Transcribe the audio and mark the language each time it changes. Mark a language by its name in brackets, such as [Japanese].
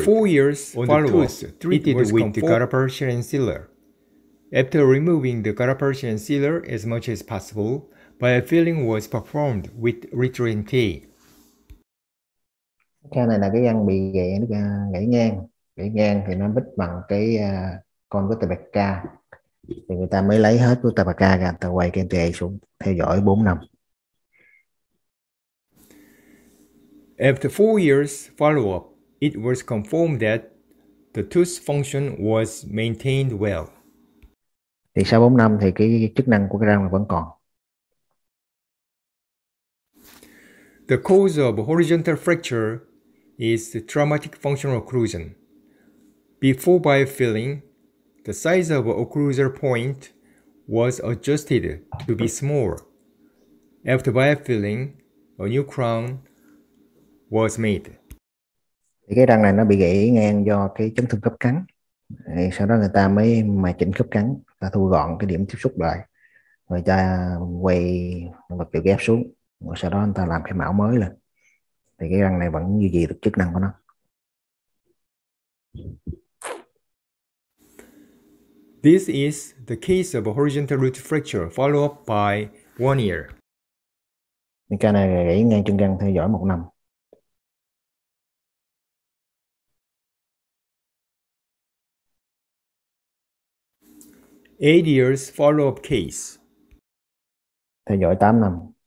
[English] After 4 years on follow-up, the tooth, treated with gutta-percha and sealer. After removing the gutta-percha and sealer as much as possible, biofilling was performed with retro MTA. [Vietnamese] Cái này là cái răng bị gãy ngang thì nó bít bằng cái con của tabaka. Thì người ta mới lấy hết của tabaka ra, ta quay cái MTA xuống theo dõi 4 năm. [English] After 4 years follow-up, it was confirmed that the tooth function was maintained well. [Vietnamese] Thì sau 4 năm thì cái chức năng của cái răng vẫn còn. [English] The cause of horizontal fracture is the traumatic functional occlusion. Before biofilling, the size of occlusal point was adjusted to be small. After biofilling, a new crown was made. [Vietnamese] Thì cái răng này nó bị gãy ngang do cái chấn thương khớp cắn. Thì sau đó người ta mới mài chỉnh khớp cắn, ta thu gọn cái điểm tiếp xúc lại. Người ta quay vật liệu ghép xuống, và sau đó người ta làm cái mẫu mới lên. Thì cái răng này vẫn duy trì được chức năng của nó. [English] This is the case of a horizontal root fracture follow up by 1 year. [Vietnamese] Cái này gãy ngang chân răng theo dõi 1 năm. [English] Eight years follow-up case. [Vietnamese] Theo dõi 8 năm.